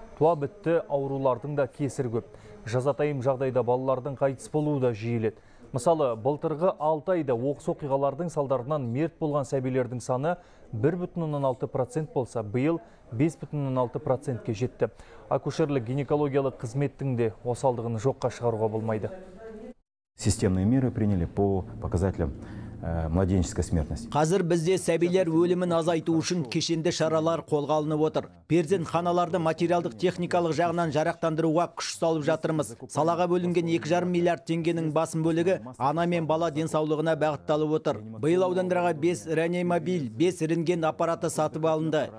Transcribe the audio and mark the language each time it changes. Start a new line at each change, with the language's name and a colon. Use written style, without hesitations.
Kazakh: туа бітті аурулардың да кесір көп. Жазатайым жағдайда балалардың қайтыс болуы да жиілет. Мысалы, былтырғы 6 айда оқыс оқиғалардың салдарынан мерт болған сәбилердің саны 1,6% болса, биыл 5,6%-ке жетті. Акушерлік гинекологиялық қызметтің де осалдығын жоққа шығаруға болмайды.
Russian: Системные меры приняли по показателям младенческой смертности.
Kazakh: Қазір бізде сәбилер өлімін азайту үшін кешенді шаралар қолға алынып отыр. Перзентханаларды материалдық техникалық жағынан жарақтандыруға күш салып жатырмыз. Салаға бөлінген 2,5 миллиард теңгенің басым бөлігі ана мен бала денсаулығына бағытталып отыр. Биыл аудандарға 5 реанимобиль, 5 рентген аппараты сатып алынды.